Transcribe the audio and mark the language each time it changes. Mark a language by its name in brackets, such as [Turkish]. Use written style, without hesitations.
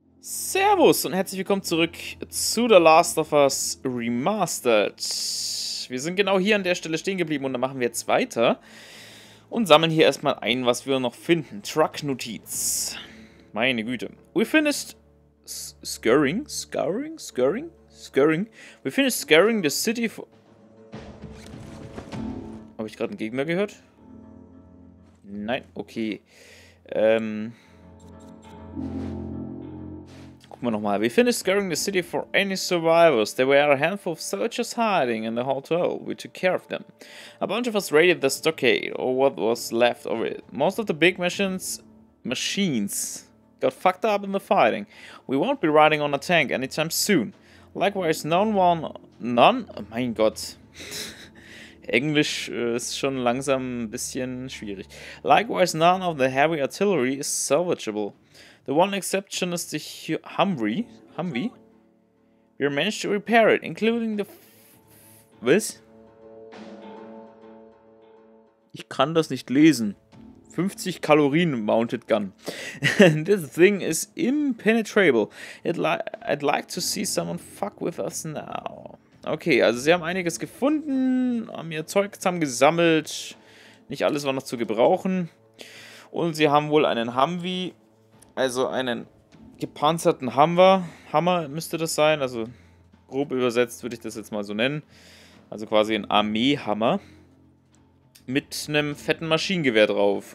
[German] Servus und herzlich willkommen zurück zu The Last of Us Remastered. Wir sind genau hier an der Stelle stehen geblieben und da machen wir jetzt weiter und sammeln hier erstmal ein, was wir noch finden. Truck-Notiz. Meine Güte. [English] We finished scurrying. We finished scurrying the city for... [German] Habe ich gerade einen Gegner gehört? Nein, okay. Gucken wir nochmal. [English] We finished scouring the city for any survivors. There were a handful of soldiers hiding in the hotel. We took care of them. A bunch of us raided the stockade, or what was left of it. Most of the big machines got fucked up in the fighting. We won't be riding on a tank anytime soon. Likewise, none. [German] Oh mein Gott. Englisch ist schon langsam ein bisschen schwierig. [English] Likewise, none of the heavy artillery is salvageable. The one exception is the Humvee. We managed to repair it, including the... [German] Was? Ich kann das nicht lesen. [English] 50 Kalorien mounted gun. This thing is impenetrable. I'd like to see someone fuck with us now. [German] Okay, also sie haben einiges gefunden, haben ihr Zeug zusammengesammelt. Nicht alles war noch zu gebrauchen. Und sie haben wohl einen Humvee. Also einen gepanzerten Hammer müsste das sein. Also grob übersetzt würde ich das jetzt mal so nennen. Also quasi ein Armeehammer mit einem fetten Maschinengewehr drauf.